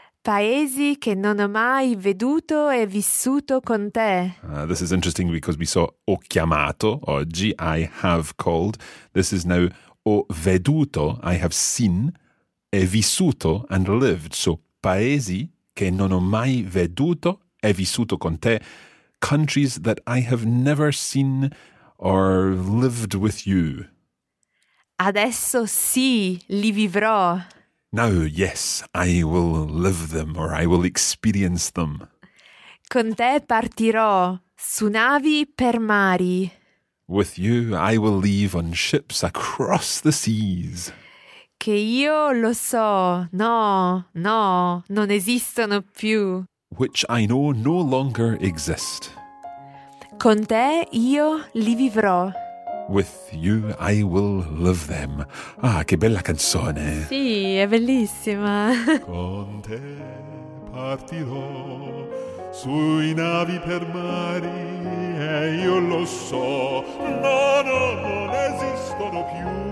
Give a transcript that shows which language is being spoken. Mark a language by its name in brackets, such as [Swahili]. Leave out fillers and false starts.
[Italian] Paesi che non ho mai veduto e vissuto con te. [English] This is interesting because we saw [Italian] ho chiamato oggi, [English] I have called. This is now [Italian] ho veduto, [English] I have seen, [Italian] e vissuto [English] and lived. [Italian] So, paesi che non ho mai veduto e vissuto con te. [English] Countries that I have never seen or lived with you. [Italian] Adesso sì, li vivrò. [English] Now, yes, I will live them or I will experience them. [Italian] Con te partirò su navi per mari. [English] With you, I will leave on ships across the seas. [Italian] Che io lo so, no, no, non esistono più. [English] Which I know no longer exist. [Italian] Con te io li vivrò. [English] With you I will live them. [Italian] Ah, che bella canzone! Sì, è bellissima! Con te partirò sui navi per mari e io lo so, no, no, non esistono più.